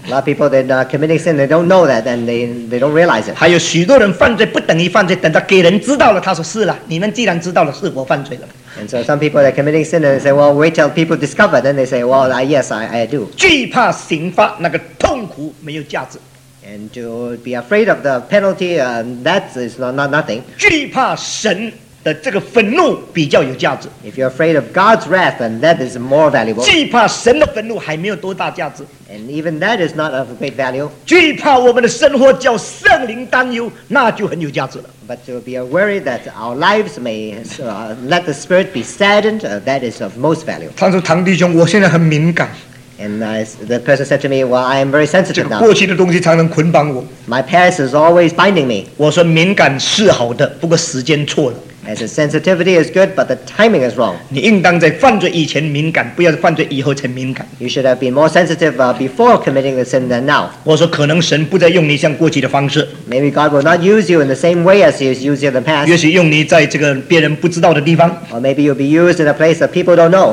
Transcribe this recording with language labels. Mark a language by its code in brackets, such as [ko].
[en] A lot of people that are committing sin, they don't know that, and they don't realize it. [zh] 还有许多人犯罪不等于犯罪，等到给人知道了，他说是了，你们既然知道了，是我犯罪了。 [en] And so some people that are committing sin, they say, well, wait till people discover, then they say, well, yes, I do. [zh] 惧怕刑罚，那个痛苦没有价值。 [en] And to be afraid of the penalty, that is not nothing. [zh] 惧怕神的这个愤怒比较有价值。 [en] If you're afraid of God's wrath, then that is more valuable. [zh] 惧怕神的愤怒还没有多大价值。 [en] And even that is not of great value. [zh] 惧怕我们的生活叫圣灵担忧，那就很有价值了。 [en] But to be worried that our lives may let the spirit be saddened, that is of most value. [zh] 他说唐弟兄，我现在很敏感。 [en] And the person said to me, well, I am very sensitive now. [zh] 这个过去的东西常常捆绑我。 [en] My past is always binding me. [zh] 我说敏感是好的，不过时间错了。 [en] I said, sensitivity is good, but the timing is wrong. [zh] 你应当在犯罪以前敏感，不要犯罪以后才敏感。 [en] You should have been more sensitive before committing the sin than now. [zh] 我说可能神不再用你像过去的方式。 [en] Maybe God will not use you in the same way as he has used you in the past. [zh] 也许用你在这个别人不知道的地方。 [en] Or maybe you'll be used in a place that people don't know.